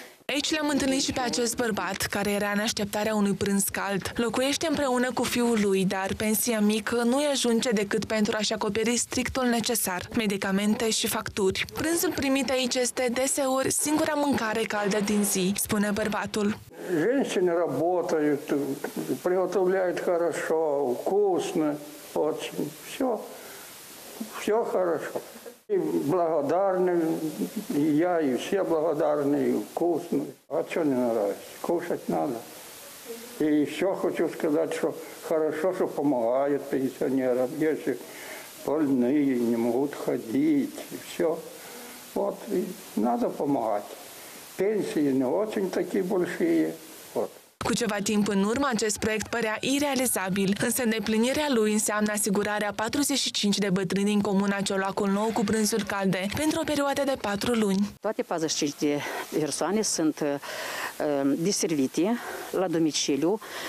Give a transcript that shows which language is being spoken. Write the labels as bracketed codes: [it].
[ro] Aici l-am întâlnit și pe acest bărbat, care era în așteptarea unui prânz cald. Locuiește împreună cu fiul lui, dar pensia mică nu-i ajunge decât pentru a-și acoperi strictul necesar, medicamente și facturi. Prânzul primit aici este deseori singura mâncare caldă din zi, spune bărbatul. [ru] Женщины работают, приготовляют хорошо, вкусно, очень, все, все хорошо. И благодарны, и я, и все благодарны, и вкусно. А что не нравится? Кушать надо. И еще хочу сказать, что хорошо, что помогают пенсионерам, если больные не могут ходить, и все. Вот, и надо помогать. Пенсии не очень такие большие. [ro] Cu ceva timp în urmă, acest proiect părea irealizabil, însă îndeplinirea lui înseamnă asigurarea 45 de bătrâni în comuna Ciolacul Nou cu prânzuri calde pentru o perioadă de 4 luni. Toate 45 de persoane sunt diservite la domiciliu.